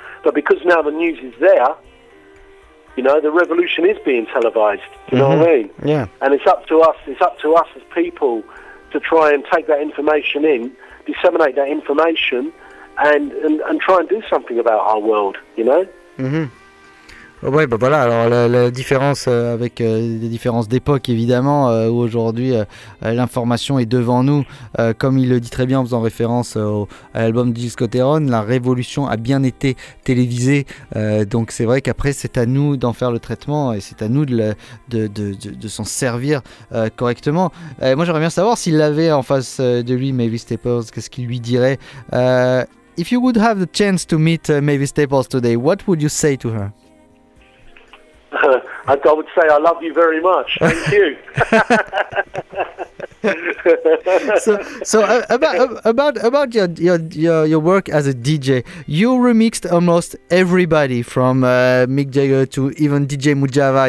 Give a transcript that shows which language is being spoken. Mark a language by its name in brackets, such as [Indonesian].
[English] But because now the news is there, you know, the revolution is being televised. You know what I mean? Yeah. And it's up to us. It's up to us as people to try and take that information in, disseminate that information, and try and do something about our world. You know? [French] Oui, bah voilà, alors la différence avec les différences d'époque, évidemment, où aujourd'hui l'information est devant nous, comme il le dit très bien en faisant référence à l'album de Gil Scott-Heron, la révolution a bien été télévisée, donc c'est vrai qu'après c'est à nous d'en faire le traitement et c'est à nous de s'en servir correctement. Moi j'aimerais bien savoir s'il l'avait en face de lui, Mavis Staples, qu'est-ce qu'il lui dirait. [English] If you would have the chance to meet Mavis Staples today, what would you say to her? I would say I love you very much. Thank you. so about your work as a DJ, you remixed almost everybody from Mick Jagger to even DJ Mojava.